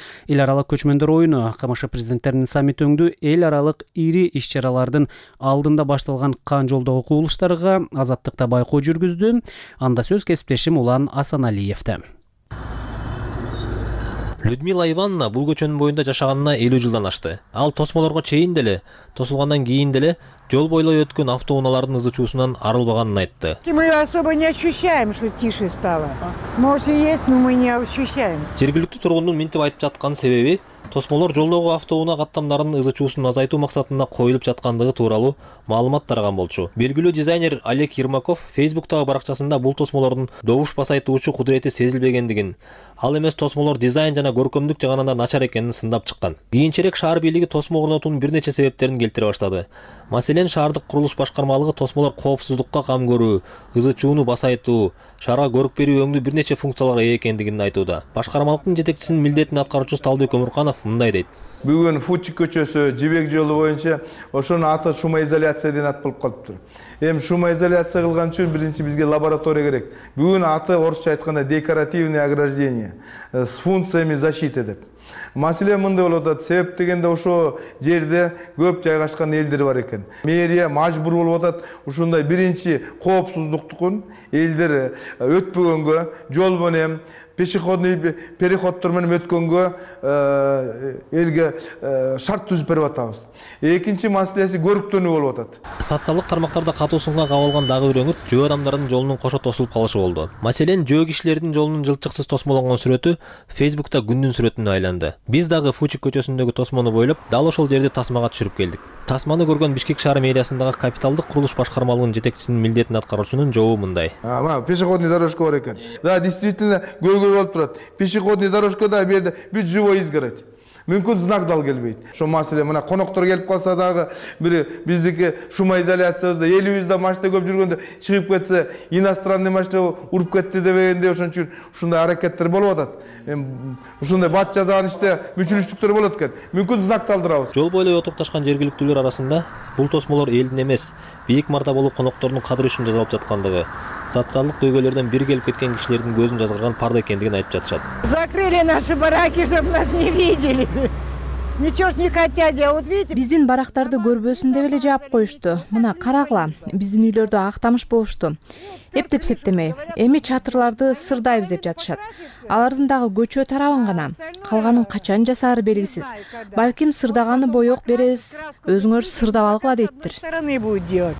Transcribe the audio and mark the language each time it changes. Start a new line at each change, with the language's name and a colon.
Kyrgyz: Эл аралык көчмөндөр оюну КМШ президенттеринин саммити өңдүү эл аралык ири иш чаралардын алдында башталган кан жолдо окуулуштарга Азаттыкта байкоо жүргүздү. Анда сөз кесиптешим Улан Асаналиевде. Людмила Ивановна бул көчөнүн боюнда жашаганына 50 жылдан ашты. Ал тосмолорго чейин деле, тосулгандан кийин деле жол бойлой өткөн автоунаалардын ызычуусунан арылбаганын айтты.
Russian: Мы особо не ощущаем, что тише стало. Может и есть, но мы не ощущаем.
Kyrgyz: Жергиликтүү тургундун минтип айтып жаткан себеби тосмолор жолдогу автоунаа каттамдарынын ызычуусун азайтуу максатында коюлуп жаткандыгы тууралуу маалымат тараган болчу. Белгилүү дизайнер Олег Ермаков Facebook-тагы баракчасында бул тосмолордун добуш басайтуучу кудурети сезилбегендигин, ал эмес тосмолор дизайн жана көркөмдүк жагынан да начар экенин сындап чыккан. Кийинчерээк шаар бийлиги тосмо орнотуунун бир нече себептерин келтире баштады. Маселен, шаардык курулуш башкармалыгы тосмолор коопсуздукка кам көрүү, ызычууну басайтуу, шаарга көрк берүү өңдүү бир нече функцияларга ээ экендигин айтууда. Башкармалыктын жетекчисинин милдетин аткаруучу Сталбек Өмүрканов мындай дейт. Бүгүн Фучик көчөсү Жибек жолу боюнча ошонун аты шумоизоляция деген ат болуп калыптыр. Эми шумоизоляция кылган үчүн биринчи бизге лаборатория керек. Бүгүн аты орусча айтканда
Russian: декоративное ограждение с функциями защиты
Kyrgyz: деп. Маселе мындай болуп атат. Себеп дегенде ошо жерде көп жайгашкан элдер бар экен. Мэрия мажбур болуп атат ушундай биринчи коопсуздуктукун элдер өтпөгөнгө жол менен пешеходный переходтор менен өткөнгө элге шарт түзүп берип атабыз. Экинчи маселеси көрүктөнүү болуп атат. Социалдык тармактарда катуу сынга кабылган дагы бир өңүт жөө адамдардын жолунун кошо тосулуп калышы болду. Маселен, жөө кишилердин жолунун жылчыксыз тосмолонгон сүрөтү Facebook'та күндүн сүрөтүнө айланды. Биз дагы Фучик көчөсүндөгү тосмону бойлоп, дал ошол жерде тасмага түшүрүп келдик. Тасманы көргөн Бишкек шаар мэриясындагы капиталдык курулуш башкармалыгынын жетекчисинин милдетин аткаруучунун жообу мындай. Мына
Russian: пешеходный дорожка
Kyrgyz: бар экен.
Russian: Да, действительно
Kyrgyz: көйгөй болуп турат.
Russian: Пешеходный дорожка
Kyrgyz: да берди.
Russian: Бүт живой изгородь.
Kyrgyz: Мүмкүн знак дал келбейт. Ошо маселе мына коноктор келип калса дагы бир биздики шумоизоляциябызда элибизде машина көп жүргөндө чыгып кетсе иностранный машина уруп кетти дегендей ошон үчүн ушундай аракеттер болуп атат. Ушундай бат жазган иште мүчүлүштүктөр болот экен. Мүмкүн знак талдырабыз. Жол бойлой отурукташкан жергиликтүүлөр арасында бул тосмолор элдин эмес бийик мартаболуу коноктордун кадыр үчүн жасалып жаткандыгы социалдык көйгөйлөрдөн бир келип кеткен кишилердин көзүн жазгырган парда экендигин айтып жатышат.
Russian: Закрыли наши бараки, чтоб нас не видели. Ничего ж не хотят, я вот видите.
Kyrgyz: Биздин барактарды көрбөсүн деп эле жаап коюшту. Мына карагыла, биздин үйлөрдө актамыш болушту. Эптеп септемей, эми чатырларды сырдайбыз деп жатышат. Алардын дагы көчө тарабын гана, калганын качан жасары белгисиз. Балким сырдаганы боек беребиз, өзүңөр сырдап алгыла дейттир.